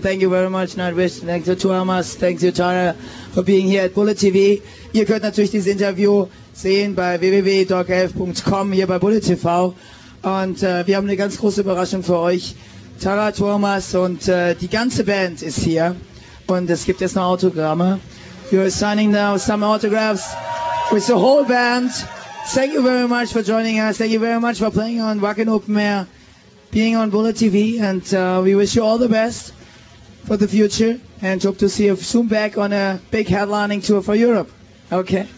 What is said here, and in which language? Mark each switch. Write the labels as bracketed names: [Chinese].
[English] Thank you very much, Nightwish. Thank you to Thomas. Thank you, Tara, for being here at Bullet TV. [German] Ihr könnt natürlich dieses Interview sehen bei www.dogelf.com hier bei Bullet TV. Und wir haben eine ganz große Überraschung für euch. Tara, Thomas und die ganze Band ist hier. Und es gibt jetzt noch Autogramme. [English] You're signing now some autographs with the whole band. Thank you very much for joining us. Thank you very much for playing on Wacken Open Air, being on Bullet TV. And we wish you all the best for the future. And hope to see you soon back on a big headlining tour for Europe. Okay.